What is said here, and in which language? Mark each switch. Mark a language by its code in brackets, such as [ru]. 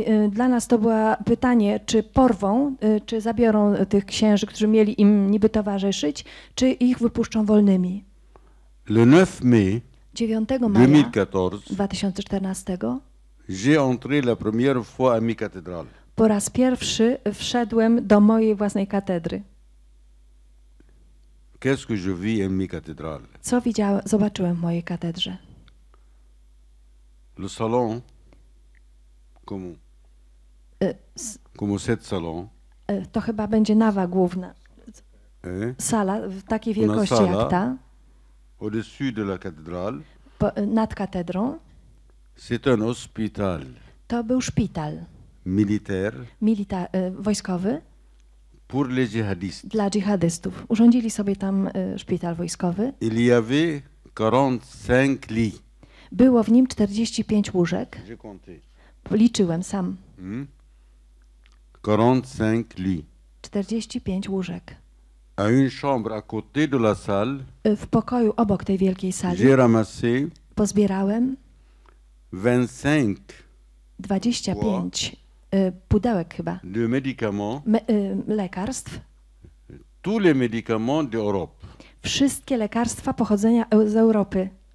[pl] Dla nas to było pytanie, czy porwą, czy zabiorą tych księży, którzy mieli im niby towarzyszyć, czy ich wypuszczą wolnymi. [fr] Le 9 mai [pl] 9 maja 2014. [fr] J'ai entré la première fois à ma cathédrale. [pl] Po raz pierwszy wszedłem do mojej własnej katedry. [fr] Qu'est-ce que je vis en ma cathédrale? [pl] Co widziałem, zobaczyłem w mojej katedrze? [fr] Le salon. Comment cet salon? [pl] To chyba będzie nawa główna. Sala w takiej wielkości sala, jak ta. [fr] Au-dessus de la cathédrale. [pl] Nad katedrą. [fr] C'est un hôpital. [pl] To był szpital. [fr] Militaire. [pl] Wojskowy. [fr] Pour les djihadistes. [pl] Dla dżihadystów. Urządzili sobie tam szpital wojskowy. [fr] Il y avait 45 lits. [pl] Było w nim 45 łóżek. [fr] J'ai compté. [pl] Liczyłem sam. [fr] 45 lits. [pl] 45 łóżek. [fr] À une chambre à côté de la salle. [pl] W pokoju obok tej wielkiej sali. [fr] J'ai ramassé. [pl] Pozbierałem. 25 pudełek chyba. [fr] De médicaments. [pl] Lekarstw. [fr] Tous les médicaments d'Europe. [pl] Wszystkie lekarstwa pochodzenia z Europy.